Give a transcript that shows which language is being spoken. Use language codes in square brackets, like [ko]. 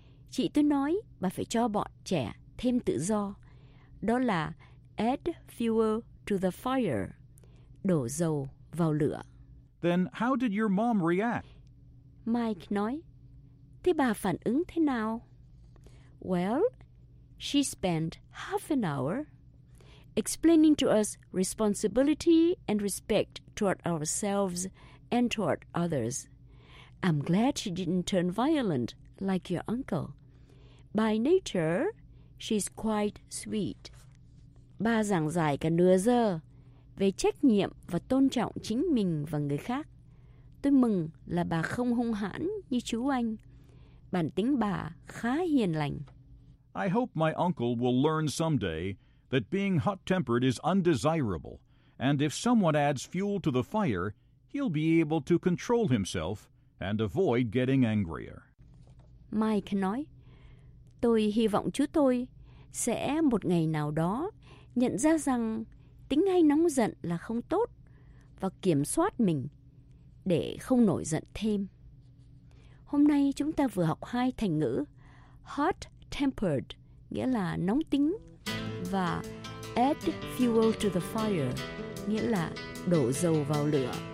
[vi] Chị tôi nói bà phải cho bọn trẻ thêm tự do. Đó là add fuel to the fire. Đổ dầu vào lửa. [en] Then how did your mom react? [vi] Mike nói, thế bà phản ứng thế nào? [en] Well, she spent half an hour explaining to us responsibility and respect toward ourselves and toward others. I'm glad she didn't turn violent like your uncle. By nature, she's quite sweet. [vi] Bà giảng giải cả nửa giờ về trách nhiệm và tôn trọng chính mình và người khác. Tôi mừng là bà không hung hãn như chú anh. Bản tính bà khá hiền lành. [en] I hope my uncle will learn someday that being hot-tempered is undesirable, and if someone adds fuel to the fire, he'll be able to control himself and avoid getting angrier. [vi] Mike nói, tôi hy vọng chú tôi sẽ một ngày nào đó nhận ra rằng tính hay nóng giận là không tốt và kiểm soát mình để không nổi giận thêm. Hôm nay chúng ta vừa học hai thành ngữ hot-tempered, nghĩa là nóng tính, và add fuel to the fire, nghĩa là đổ dầu vào lửa.